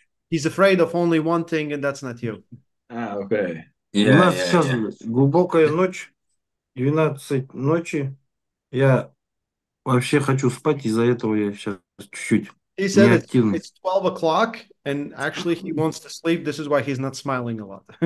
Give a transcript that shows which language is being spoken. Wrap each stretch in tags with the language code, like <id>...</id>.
<en>He's afraid of only one thing, and that's not you. Okay.</en> <ru>Yeah, у нас сейчас глубокая ночь, 12 ночи. Я вообще хочу спать, из-за этого я сейчас чуть-чуть</ru> <en>He said</en> <ru>неактивный.</ru> <en>It's 12 o'clock, and actually he wants to sleep. This is why he's not smiling a lot.</en>